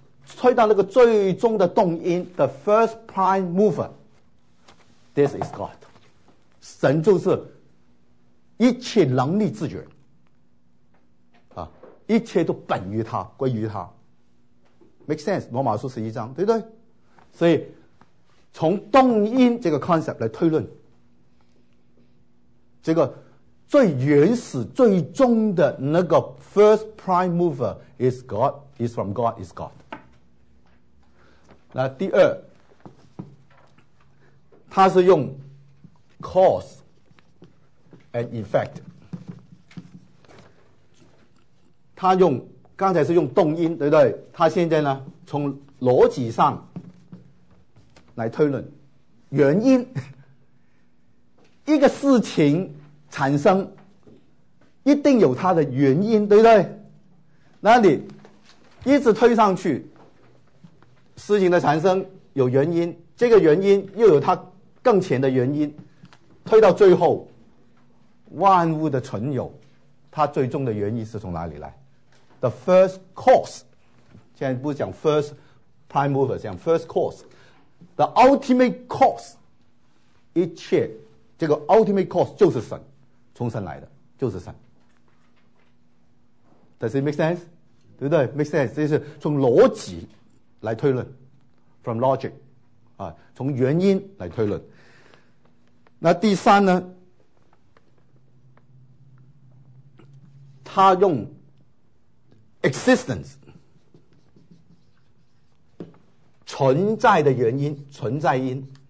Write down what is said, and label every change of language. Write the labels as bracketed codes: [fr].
[zh] 推到那个最终的动因 [en] the first prime mover， this is God， [zh] 神就是一切能力之源啊，一切都本于他，归于他， [en] make sense， [zh] 罗马书十一章，对不对？所以从动因这个 concept 来推论这个最原始最终的那个 [en] first prime mover is God， is from God， is God。 [zh] 那第二，他是用 cause and effect， 他用刚才是用动因，对不对？他现在呢，从逻辑上来推论原因，一个事情产生一定有它的原因，对不对？那你一直推上去。事情的产生有原因，这个原因又有它更前的原因，推到最后万物的存有它最终的原因是从哪里来？ [en] The first cause， [zh] 现在不是讲 first prime mover， 讲 first cause， [en] The ultimate cause， [zh] 一切这个 ultimate cause 就是神，从神来的就是神。 [en] Does it make sense？ [zh] 对不对？ [en] Make sense， [zh] 这是从逻辑来推论 ， [en] from logic， [zh] 啊，从原因来推论。那第三呢？他用 existence 存在的原因，存在因。